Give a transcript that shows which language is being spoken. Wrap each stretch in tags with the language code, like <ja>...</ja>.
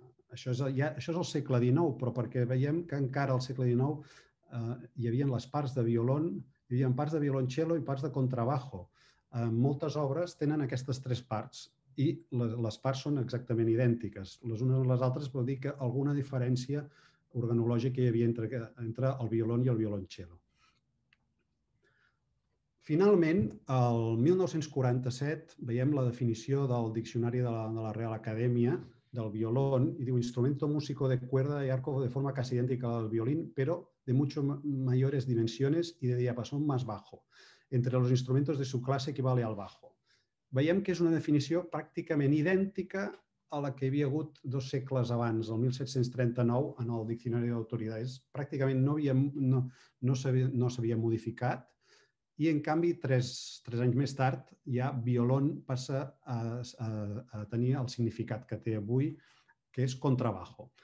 <ca>Això és el segle XIX, però perquè veiem que encara al segle XIX hi havia les parts de violon, hi havia parts de violoncello i parts de contrabajo. Moltes obres tenen aquestes tres parts i les parts són exactament idèntiques. Les unes a les altres vol dir que alguna diferència organològica hi havia entre el violon i el violoncello. Finalment, el 1947, veiem la definició del diccionari de la Real Acadèmia del violón</ca> <es>y de un instrumento músico de cuerda y arco de forma casi idéntica al violín, pero de mucho mayores dimensiones y de diapasón más bajo. Entre los instrumentos de su clase equivale al bajo.</es> <ca>Veiem que és una definició pràcticament idèntica a la que hi havia hagut dos segles abans, el 1739, en el diccionari d'autoritats. Pràcticament no s'havia modificat. I, en canvi, tres anys més tard, ja violón passa a tenir el significat que té avui, que és contrabajo.</ca>